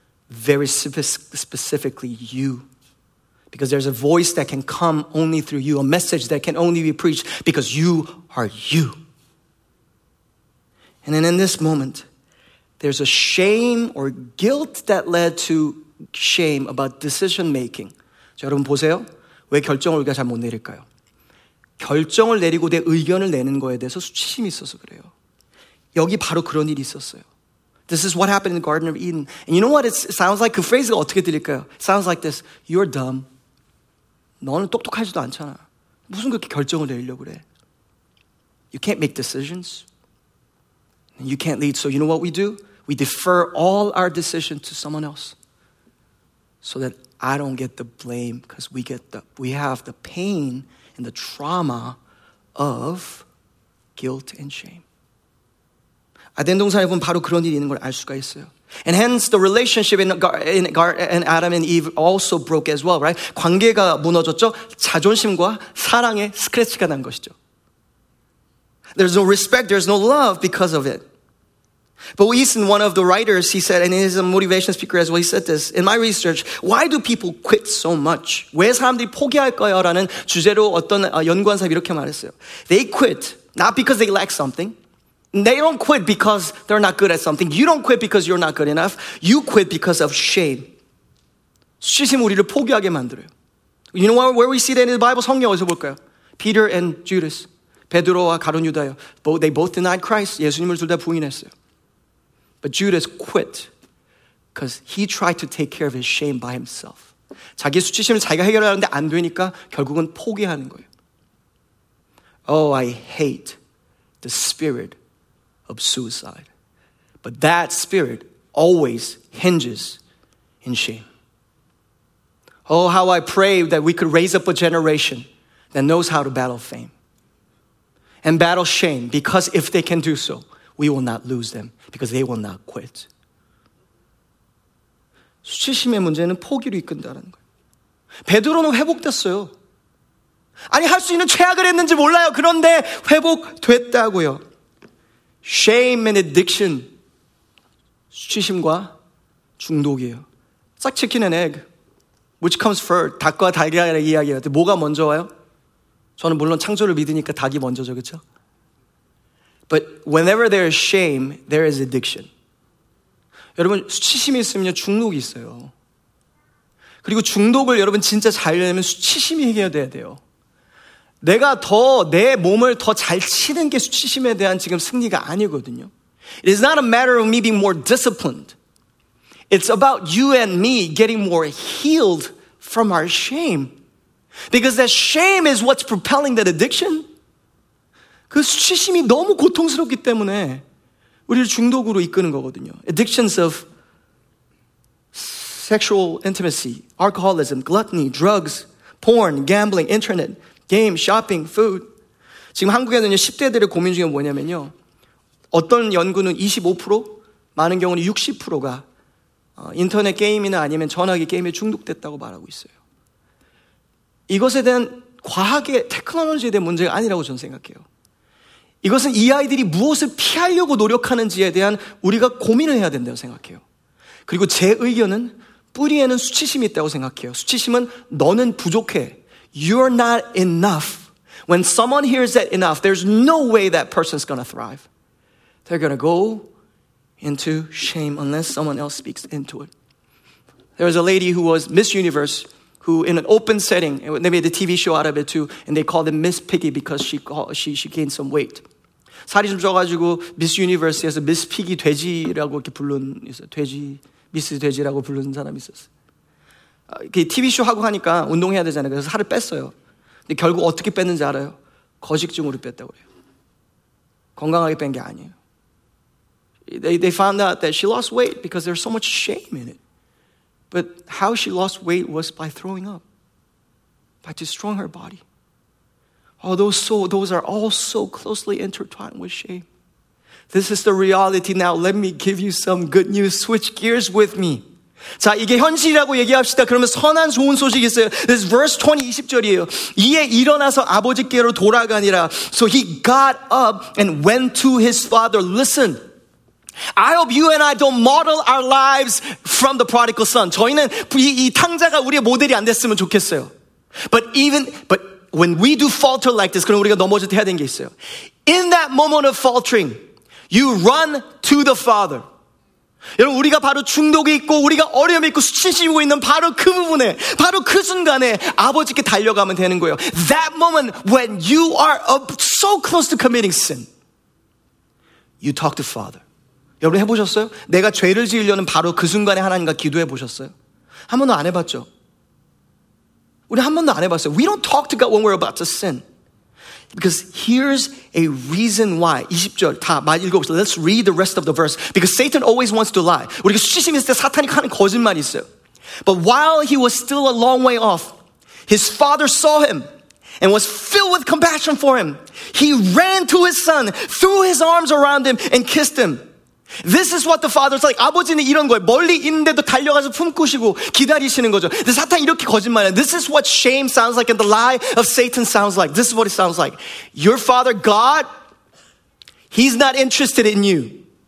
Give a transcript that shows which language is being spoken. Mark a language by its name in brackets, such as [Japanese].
[English] Very specifically you. Because there's a voice that can come only through you. A message that can only be preached because you are you. And then in this moment, there's a shame or guilt that led to shame about decision making. [Korean] 자, 여러분 보세요. 왜 결정을 우리가 잘 못 내릴까요? 결정을 내리고 내 의견을 내는 거에 대해서 수치심이 있어서 그래요. 여기 바로 그런 일이 있었어요. [English] This is what happened in the Garden of Eden. And you know what it sounds like? [Korean] 그 phrase가 어떻게 들릴까요? [English] It sounds like this. You're dumb. [Korean] 너는 똑똑하지도 않잖아. 무슨 그렇게 결정을 내리려고 그래? [English] You can't make decisions. And you can't lead. So you know what we do? We defer all our decisions to someone else. So that I don't get the blame because we have the pain and the trauma of guilt and shame. [Korean] 아덴 동산에 보면 바로 그런 일이 있는 걸 알 수가 있어요. [English] And hence the relationship in Adam and Eve also broke as well, right? [Korean] 관계가 무너졌죠. 자존심과 사랑의 스크래치가 난 것이죠. [English] There's no respect, there's no love because of it. But Easton, one of the writers, he said, and he's a motivation speaker as well, he said this, in my research, why do people quit so much? [Korean] 왜 사람들이 포기할까요? 라는 주제로 어떤 연구한 사람이 이렇게 말했어요. [English] They quit, not because they lack something. They don't quit because they're not good at something. You don't quit because you're not good enough. You quit because of shame. [Korean] 수치심 우리를 포기하게 만들어요. [English] You know where we see that in the Bible? [Korean] 성경에서 볼까요? Peter and Judas, 베드로와 가룟 유다요. [English] They both denied Christ. [Korean] 예수님을 둘 다 부인했어요. [English] But Judas quit because he tried to take care of his shame by himself. [Korean] 자기 수치심을 자기가 해결하는데 안 되니까 결국은 포기하는 거예요. [English] Oh, I hate the spirit of suicide. But that spirit always hinges in shame. Oh, how I pray that we could raise up a generation that knows how to battle fame and battle shame, because if they can do so, we will not lose them because they will not quit. [Korean] 수치심의 문제는 포기로 이끈다는 거예요. 베드로는 회복됐어요. 아니 할 수 있는 최악을 했는지 몰라요. 그런데 회복됐다고요. [English] Shame and addiction. [Korean] 수치심과 중독이에요. [English] It's like chicken and egg. Which comes first? [Korean] 닭과 달걀의 이야기예요. 뭐가 먼저 와요? 저는 물론 창조를 믿으니까 닭이 먼저죠, 그쵸? [English] But whenever there is shame, there is addiction. [Korean] 여러분, 수치심이 있으면 중독이 있어요. 그리고 중독을 여러분 진짜 잘 하려면 수치심이 해결돼야 돼요. 내가 더 내 몸을 더 잘 치는 게 수치심에 대한 지금 승리가 아니거든요. [English] It is not a matter of me being more disciplined. It's about you and me getting more healed from our shame. Because that shame is what's propelling that addiction. [Korean] 그 수치심이 너무 고통스럽기 때문에 우리를 중독으로 이끄는 거거든요. [English] Addictions of sexual intimacy, alcoholism, gluttony, drugs, porn, gambling, internet, game, shopping, food. [Korean] 지금 한국에는 10대들의 고민 중에 뭐냐면요. 어떤 연구는 25%, 많은 경우는 60%가 인터넷 게임이나 아니면 전화기 게임에 중독됐다고 말하고 있어요. 이것에 대한 과학의 테크놀로지에 대한 문제가 아니라고 저는 생각해요. 이것은 이 아이들이 무엇을 피하려고 노력하는지에 대한 우리가 고민을 해야 된다고 생각해요. 그리고 제 의견은 뿌리에는 수치심이 있다고 생각해요. 수치심은 너는 부족해. [English] You're not enough. When someone hears that enough, there's no way that person's gonna thrive. They're gonna go into shame unless someone else speaks into it. There was a lady who was Miss Universe who in an open setting, they made a TV show out of it too, and they called her Miss Piggy because she gained some weight. [Korean] 살이 좀 쪄가지고 Miss Universe에서 Miss Piggy 돼지라고 이렇게 부른 있어요. 돼지, 미스 돼지라고 부르는 사람이 있었어요. TV 쇼 하고 하니까 운동해야 되잖아요. 그래서 살을 뺐어요. 근데 결국 어떻게 뺐는지 알아요? 거식증으로 뺐다고 그래요. 건강하게 뺀 게 아니에요. [English] They found out that she lost weight because there's so much shame in it. But how she lost weight was by throwing up, by destroying her body. Oh, those are all so closely intertwined with shame. This is the reality. Now let me give you some good news. Switch gears with me. [Korean] 자, 이게 현실이라고 얘기합시다. 그러면 선한 좋은 소식이 있어요. [English] This is verse 20, [Korean] 20절이에요. 이에 일어나서 아버지께로 돌아가니라. [English] So he got up and went to his father. Listen. I hope you and I don't model our lives from the prodigal son. [Korean] 저희는 이 탕자가 우리의 모델이 안 됐으면 좋겠어요. [English] But when we do falter like this, [Korean] 그럼 우리가 넘어질 때 해야 되는 게 있어요. [English] In that moment of faltering, you run to the father. [Korean] 여러분, 우리가 바로 중독이 있고 우리가 어려움이 있고 수치심이 있는 바로 그 부분에, 바로 그 순간에 아버지께 달려가면 되는 거예요. [English] That moment when you are so close to committing sin, you talk to father. [Korean] 여러분 해보셨어요? 내가 죄를 지으려는 바로 그 순간에 하나님과 기도해보셨어요? 한 번도 안 해봤죠? 우리 한 번도 안 해봤어요. [English] We don't talk to God when we're about to sin. Because here's a reason why. [Korean] 20절 다 많이 읽어보세요. [English] Let's read the rest of the verse. Because Satan always wants to lie. [Korean] 우리가 수치심 있을 때 사탄이 하는 거짓말이 있어요. [English] But while he was still a long way off, his father saw him and was filled with compassion for him. He ran to his son, threw his arms around him and kissed him. This is what the father's like. [Korean] 아버지는 이런 거예요. 멀리 있는데도 달려가서 품꾸시고 기다리시는 거죠. 근데 사탄 이렇게 거짓말해요. [English] This is what shame sounds like and the lie of Satan sounds like. This is what it sounds like. Your father, God, he's not interested in you.